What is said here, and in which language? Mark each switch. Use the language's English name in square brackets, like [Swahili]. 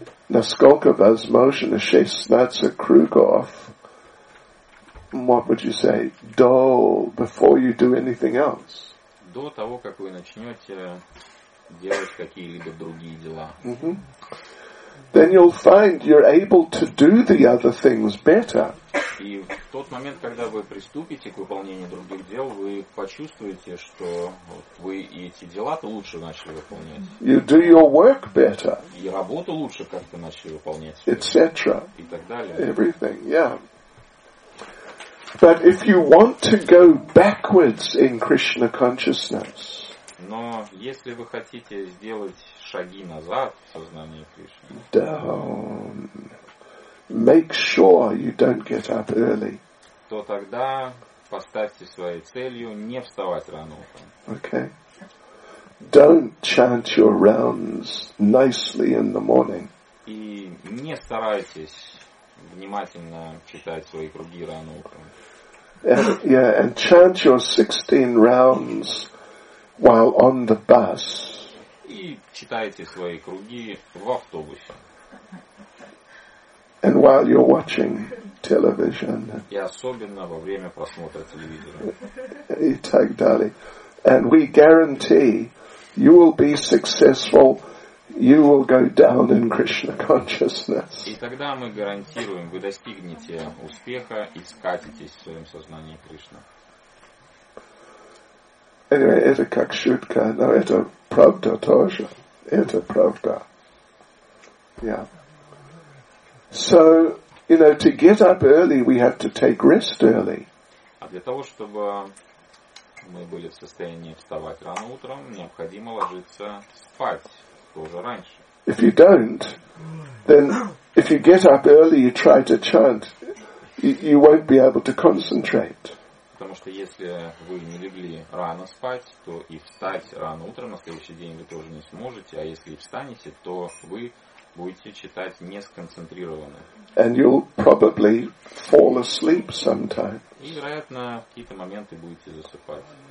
[Russian] Насколько возможно 16 кругов, [English] what would you say, do before you do anything else? [Russian] До того, как вы начнете делать какие-либо другие дела. Mm-hmm. [English] Then you'll find you're able to do the other things better. [Russian] И в тот момент, когда вы приступите к выполнению других дел, вы почувствуете, что вы и эти дела-то лучше начали выполнять. [English] You do your work better. [Russian] И работу лучше как-то начали выполнять. [English] Etc. [Russian] И так далее. [English] Everything, yeah. But if you want to go backwards in Krishna consciousness, [Russian] но если вы хотите сделать шаги назад в сознании Кришны, [English] down, make sure you don't get up early, [Russian] то тогда поставьте своей целью не вставать рано утром. [English] Okay. Don't chant your rounds nicely in the morning. [Russian] И не старайтесь внимательно читать свои круги рано утром. [English] And chant your 16 rounds while on the bus. [Russian] И читайте свои круги в автобусе. [English] And while you're watching television. [Russian] И особенно во время просмотра телевизора. И так далее. [English] And we guarantee you will be successful. You will go down in Krishna consciousness. [Russian] И тогда мы гарантируем, вы достигнете успеха и скатитесь в своем сознании Кришны. [English] Anyway, [Russian] это как шутка, но это правда тоже. Это правда. [English] Yeah. So, you know, to get up early, we have to take rest early. [Russian] А для того, чтобы мы были в состоянии вставать рано утром, необходимо ложиться спать. [English] If you don't, then if you get up early, you try to chant, you won't be able to concentrate. [Russian] Потому что если вы не легли рано спать, то и встать рано утром на следующий день вы тоже не сможете, а если и встанете, то вы будете читать не сконцентрированно. [English] And you'll probably fall asleep sometimes. [Russian] И вероятно в какие-то моменты будете засыпать.